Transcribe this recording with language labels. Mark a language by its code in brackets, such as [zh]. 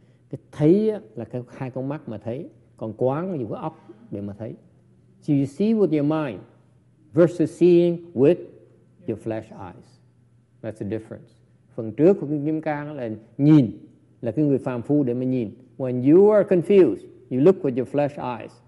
[vi] Cái thấy là cái hai con mắt mà thấy, còn quán là dùng cái óc để mà thấy. [en] So you see with your mind versus seeing with your flesh eyes. That's the difference. [vi] Phần trước của Kim Cang là nhìn, là cái người phàm phu để mà nhìn. [en] When you are confused, you look with your flesh eyes.